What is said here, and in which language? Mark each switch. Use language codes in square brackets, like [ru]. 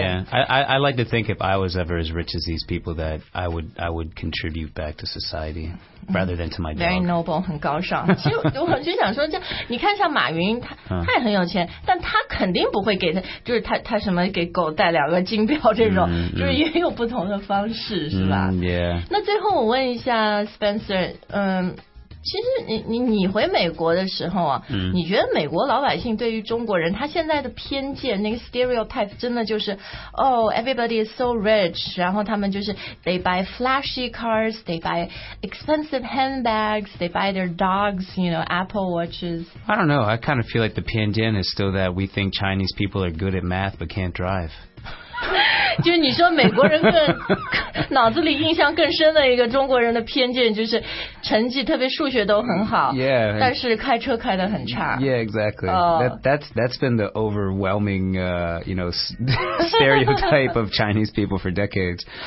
[en] yeah, I like to think if I was ever as rich as these people that I would contribute back to societyRather than to my dog. Very noble, [zh] 很高尚。其实我就想说，这你看像马云，他也很有钱，但他肯定不会给他，就是他什么给狗带两个金标这种， mm-hmm. 就是也有不同的方式，是吧、 mm-hmm. ？Yeah. 那最后我问一下 Spencer， 其实你回美国的时候啊， mm-hmm. 你觉得美国老百姓对于中国人他现在的偏见那个 [en] stereotype [zh] 真的就是 [en] ，Oh, everybody is so rich， [zh] 然后他们就是 [en] they buy flashy cars， they buy expensive handbags， they buy their dogs， you know， Apple watches。 I don't know. I kind of feel like the 偏见 is still that we think Chinese people are good at math but can't drive. [zh] 就你说美国人更脑子里印象更深的一个中国人的偏见就是成绩特别数学都很好 [en] yeah, [zh] 但是开车开得很差 [en] Yeah, exactly、That's been the overwhelming you know, stereotype of Chinese people for decades